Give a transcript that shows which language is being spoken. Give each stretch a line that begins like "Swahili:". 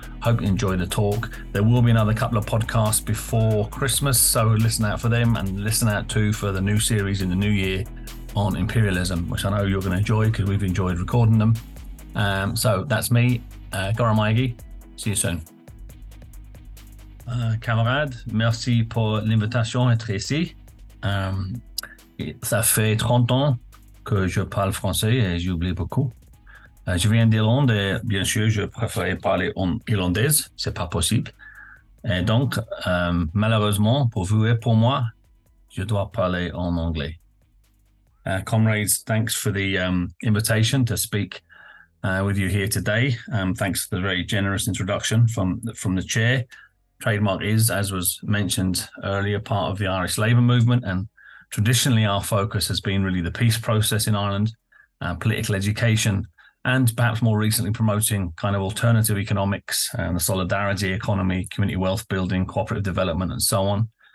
English: Hope you enjoy the talk. There will be another couple of podcasts before Christmas, so listen out for them and listen out too for the new series in the new year on imperialism, which I know you're going to enjoy because we've enjoyed recording them. So that's me. Goran Maegi, see you soon.
French: Camarade, merci pour l'invitation d'être ici. Ça fait 30 ans que je parle français et j'oublie beaucoup. Je viens d'Irlande et bien sûr, je préférais parler en irlandaise, c'est pas possible. Et donc, malheureusement, pour vous et pour moi, je dois parler en anglais.
English: Comrades, thanks for the invitation to speak with you here today. Thanks for the very generous introduction from the chair. Trademark is, as was mentioned earlier, part of the Irish labour movement. And traditionally, our focus has been really the peace process in Ireland, political education, and perhaps more recently, promoting kind of alternative economics and the solidarity economy, community wealth building, cooperative development, and so on.